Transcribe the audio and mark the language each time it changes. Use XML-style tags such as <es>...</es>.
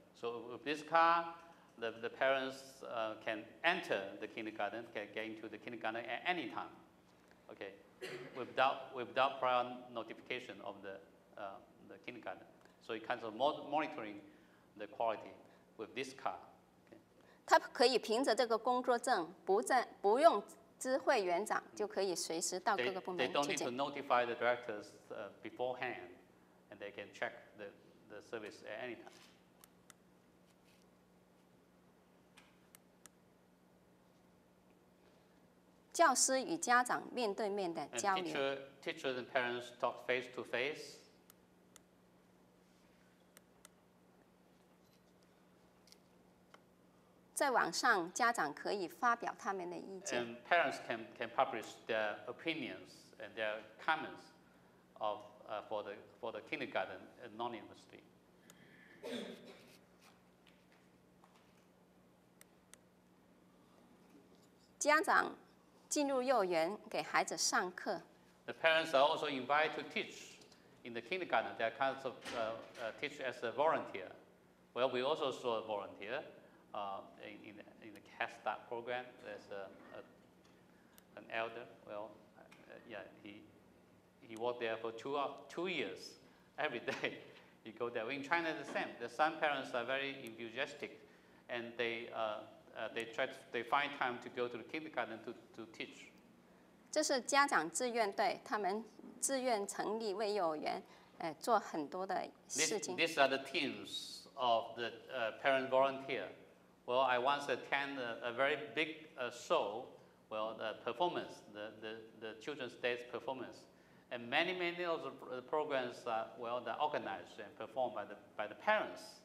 <en>So with this car, the parents can enter the kindergarten, can get into the kindergarten at any time, okay, without prior notification of the kindergarten. So it kind of monitoring the quality with this car. Okay.</en> <zh>他可以凭着这个工作证，不用知会园长就可以随时到各个部门去检查。</zh> <en>They don't need to notify the directors beforehand, and they can check the service at any time.</en> <zh>教师与家长面对面的交流。</zh> <en>Teachers and parents talk face to face.</en> <zh>在网上，家长可以发表他们的意见。</zh> <en>And parents can publish their opinions and their comments of for the kindergarten anonymously.</en> <zh>家长。进入幼儿园给孩子上课。</zh> <en>The parents are also invited to teach in the kindergarten. They are kind of teach as a volunteer. Well, we also saw a volunteer in the Head Start program. There's an elder. Well, he worked there for two years every day. He go there. In China, the same. The some parents are very enthusiastic, and they. They find time to go to the kindergarten to teach.</en> <zh>这是家长志愿队，他们自愿成立为幼儿园，做很多的事情。</zh> <en>These are the teams of the parent volunteer. Well, I once attended a very big show. Well, the performance, the children's day performance, and many of the programs are well, they're organized and performed by the parents.</en>